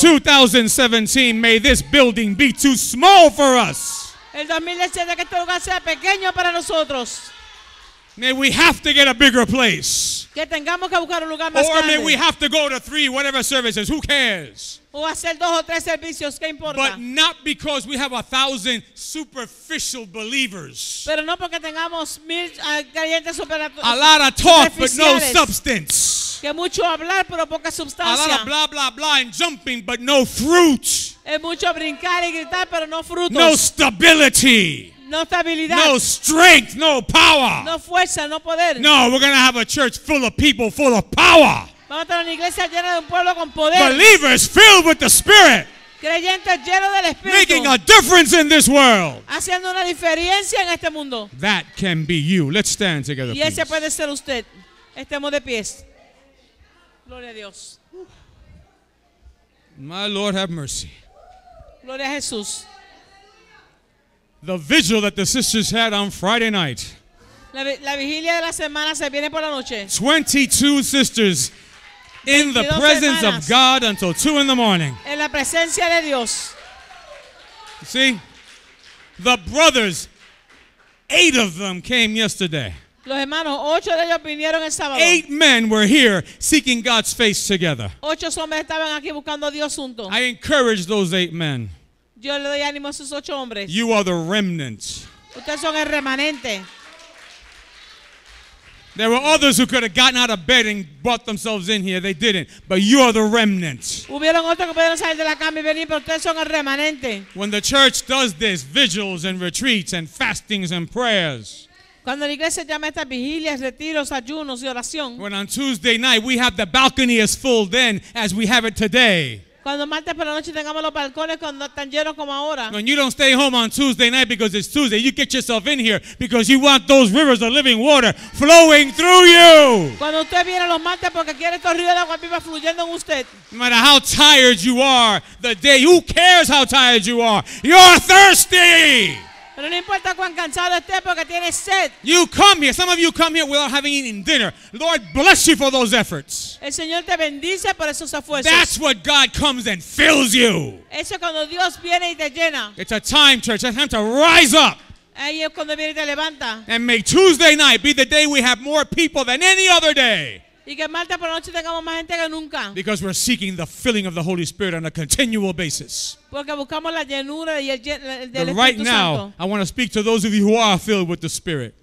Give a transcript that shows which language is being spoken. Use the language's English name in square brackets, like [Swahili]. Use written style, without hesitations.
[English] 2017, may this building be too small for us. [Spanish] El 2017, que este lugar sea pequeño para nosotros. [English] May we have to get a bigger place. [Spanish] Que tengamos que buscar un lugar [English] or [Spanish] más grande. [English] Or may we have to go to three, whatever services, who cares? [Spanish] O hacer dos o tres servicios, ¿qué importa? [English] But not because we have 1,000 superficial believers. [Spanish] Pero no porque tengamos mil creyentes superficiales. [English] A lot of talk, but no substance. [Spanish] Que mucho hablar, pero poca sustancia. [English] A lot of blah, blah, blah, and jumping, but no fruit. [Spanish] Es mucho brincar y gritar, pero no frutos. [English] No stability. [Spanish] No estabilidad. [English] No strength, no power. [Spanish] No fuerza, no poder. [English] No, we're going to have a church full of people, full of power. [Spanish] Vamos a tener una iglesia llena de un pueblo con poder. [English] Believers filled with the Spirit. [Spanish] Creyentes llenos del Espíritu. [English] Making a difference in this world. [Spanish] Haciendo una diferencia en este mundo. [English] That can be you. Let's stand together, [Spanish] please. Y ese puede ser usted. Estemos de pies. Gloria a Dios. [English] My Lord, have mercy. [Spanish] Gloria a Jesús. [English] The vigil that the sisters had on Friday night. [Spanish] La vigilia de la semana se viene por la noche. [English] 22 sisters in the presence of God until 2 in the morning. [Spanish] En la presencia de Dios. [English] See? The brothers, 8 of them came yesterday. [Spanish] Los hermanos, 8 de ellos vinieron el sábado. [English] 8 men were here seeking God's face together. [Spanish] 8 hombres estaban aquí buscando a Dios juntos. [English] I encourage those 8 men. [Spanish] Yo le doy ánimo a esos 8 hombres. [English] You are the remnant. [Spanish] Ustedes son el remanente. [English] There were others who could have gotten out of bed and brought themselves in here. They didn't. But you are the remnant. [Spanish] Hubieron otros que pudieron salir de la cama y venir, pero ustedes son el remanente. [English] When the church does this, vigils and retreats and fastings and prayers. [Spanish] Cuando la iglesia llama estas vigilias, retiros, ayunos y oración. [English] When on Tuesday night we have the balcony as full then as we have it today. [Spanish] Cuando martes por la noche tengamos los balcones cuando están llenos como ahora. [English] When you don't stay home on Tuesday night because it's Tuesday, you get yourself in here because you want those rivers of living water flowing through you. [Spanish] Cuando usted viene los martes porque quiere estos ríos de agua viva fluyendo en usted. [English] No matter how tired you are the day, who cares how tired you are? You're thirsty. [Spanish] Pero no importa cuán cansado esté porque tiene sed. [English] You come here. Some of you come here without having eaten dinner. Lord, bless you for those efforts. [Spanish] El Señor te bendice por esos esfuerzos. [English] That's what God comes and fills you. [Spanish] Eso cuando Dios viene y te llena. [English] It's a time, church. It's time to rise up. [Spanish] Ahí es cuando viene y te levanta. [English] And make Tuesday night be the day we have more people than any other day. [Spanish] Y que martes por la noche tengamos más gente que nunca. [English] Because we're seeking the filling of the Holy Spirit on a continual basis. [Spanish] Porque buscamos la llenura del Espíritu Santo. [English] But right now, I want to speak to those of you who are filled with the Spirit.